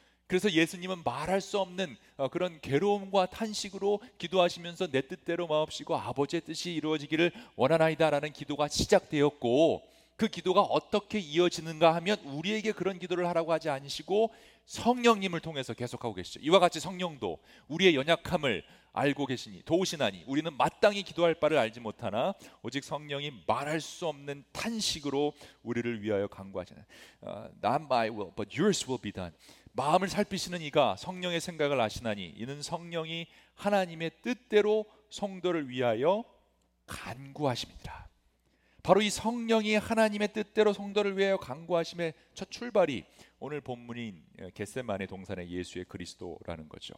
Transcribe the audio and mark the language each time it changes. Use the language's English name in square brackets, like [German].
[Korean] 그래서 예수님은 말할 수 없는 그런 괴로움과 탄식으로 기도하시면서 내 뜻대로 마옵시고 아버지의 뜻이 이루어지기를 원하나이다라는 기도가 시작되었고, 그 기도가 어떻게 이어지는가 하면 우리에게 그런 기도를 하라고 하지 않으시고 성령님을 통해서 계속하고 계시죠. 이와 같이 성령도 우리의 연약함을 알고 계시니 도우시나니 우리는 마땅히 기도할 바를 알지 못하나 오직 성령이 말할 수 없는 탄식으로 우리를 위하여 간구하시나. [English] Not my will, but yours will be done. [Korean] 마음을 살피시는 이가 성령의 생각을 아시나니 이는 성령이 하나님의 뜻대로 성도를 위하여 간구하십니다. 바로 이 성령이 하나님의 뜻대로 성도를 위하여 간구하심의 첫 출발이 오늘 본문인 겟세마네 동산의 예수의 그리스도라는 거죠.